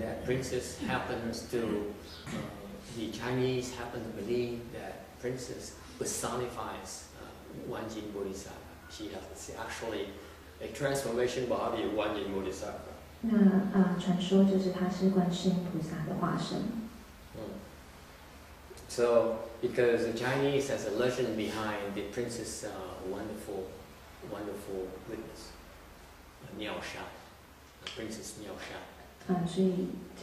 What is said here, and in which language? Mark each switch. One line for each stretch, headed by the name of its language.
English: that princess happens to the Chinese happen to believe that princess personifies Wanyin Bodhisattva. She has actually a transformation body of Wanyin Bodhisattva.
Chinese: 那传说就是她是观世音菩萨的化身。
English: So, because the Chinese has a legend behind the princess' wonderful goodness, Miao Shan, Princess Miao Shan.